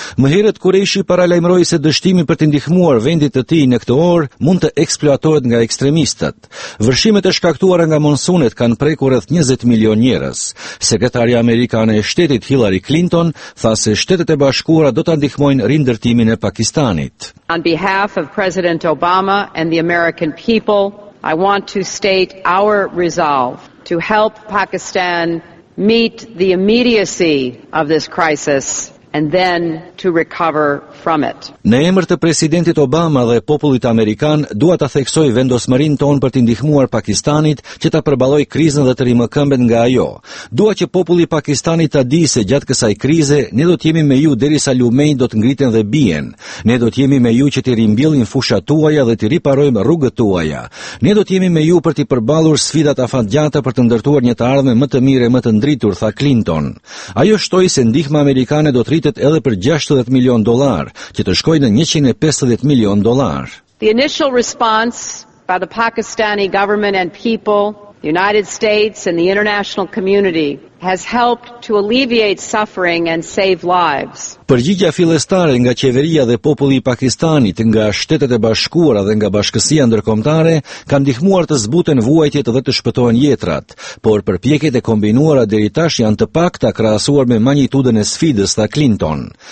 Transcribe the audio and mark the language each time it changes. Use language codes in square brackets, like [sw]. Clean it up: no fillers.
[sq] Më herët, Qureshi paralajmëroi se dështimi për të ndihmuar vendit të tij në këtë orë mund të eksploatohet nga ekstremistët. Vërshimet e shkaktuara nga monsunet kanë prekur rreth 20 milion njerëz. Sekretaria amerikane e shtetit Hillary Clinton tha se Shtetet e Bashkuara do të ndihmojnë rindërtimin e Pakistanit. [en] On behalf of President Obama and the American people, I want to state our resolve to help Pakistan meet the immediacy of this crisis and then to recover from it. [sq] Në emër të presidentit Obama dhe popullit amerikan, dua ta theksoj vendosmërinë tonë për të ndihmuar Pakistanit që ta përballojë krizën dhe të rimëkëmbet nga ajo. Dua që populli i Pakistanit ta dijë se gjatë kësaj krize ne do të jemi me ju derisa lumenjtë do të ngriten dhe bien. Ne do të jemi me ju që të rimbjellim fushat tuaja dhe të riparojmë rrugët tuaja. Ne do të jemi me ju për të përballur sfidat afatgjata për të ndërtuar një të ardhme më të mirë, më të ndritur, tha Clinton. Ajo shtoi se ndihma amerikane do rritet edhe për 60 milion dollar, që të shkojë në 150 milion dollar. [en] The initial response by the Pakistani government and people, the United States and the international community has helped to alleviate suffering and save lives. [sq] Përgjigja fillestare nga qeveria dhe populli i Pakistanit, nga Shtetet e Bashkuara dhe nga Bashkësia Ndërkombëtare kanë ndihmuar të zbuten vuajtjet dhe të shpëtohen jetrat, por përpjekjet e kombinuara deri tash janë të pakta krahasuar me magnitudën e sfidës, tha Clinton.